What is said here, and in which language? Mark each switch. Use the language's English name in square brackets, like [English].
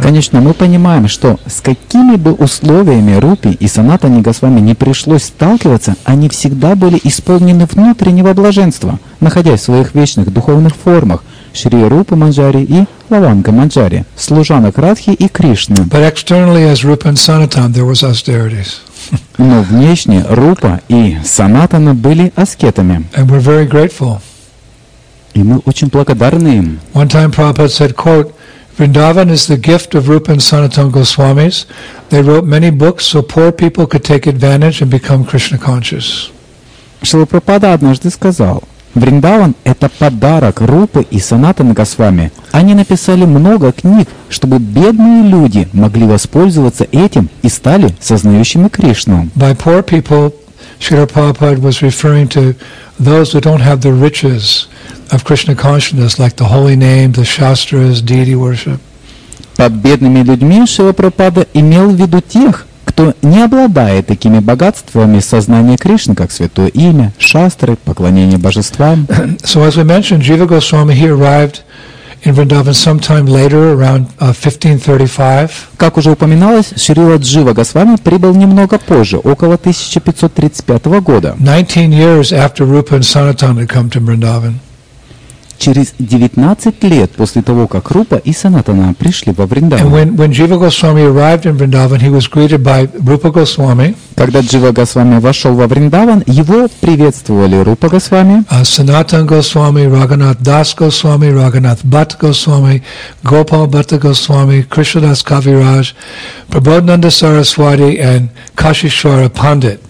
[Russian] Конечно, мы понимаем, что с какими бы условиями Рупи и Санатани Госвами не пришлось сталкиваться, они всегда были исполнены внутреннего блаженства, находясь в своих вечных духовных формах Шри Рупа Манджари и Лаванга Манджари, служанок Радхи и Кришны. [English] But externally, as Rupa and Sanatana, there was austerities. [Russian] Но внешне Рупа и Санатана были аскетами. [English] And we're very grateful. [Russian] И мы очень благодарны им. [English] One time Prabhupada said, quote, Vrindavan is the gift of Rupa and Sanatana Goswamis. They wrote many books so poor people could take advantage and become Krishna conscious. [Russian] Шрила Прабхупада однажды сказал, Вриндаван – это подарок Рупы и Санатаны Госвами. Они написали много книг, чтобы бедные люди могли воспользоваться этим и стали сознающими Кришну. [English] By poor people, Srila Prabhupada was referring to those who don't have the riches of Krishna consciousness, like the holy name, the shastras, deity worship. [Russian] Под бедными людьми Шрила Прабхупада имел в виду тех, кто не обладает такими богатствами сознания Кришны, как святое имя, шастры, поклонение божествам. [English] So as we mentioned, Jiva Goswami, he arrived in Vrindavan sometime later, around 1535. [Russian] Как уже упоминалось, Шрила Джива Госвами прибыл немного позже, около 1535 года. [English] 19 years after Rupa and Sanatana had come to Vrindavan. [Russian] Через 19 лет после того, как Рупа и Санатана пришли во Вриндаван. [English] When Jiva Goswami arrived in Vrindavan, he was greeted by Rupa Goswami. [Russian] Когда Джива Госвами вошел во Вриндаван, его приветствовали Рупа Госвами, Санатан Госвами, Раганат Дас Госвами, Раганат Бат Госвами, Гопал Бат Госвами, Кришнадас Кавираж, Прабодхананда Сарасвати [English] and [Russian] Кашишвара Пандит.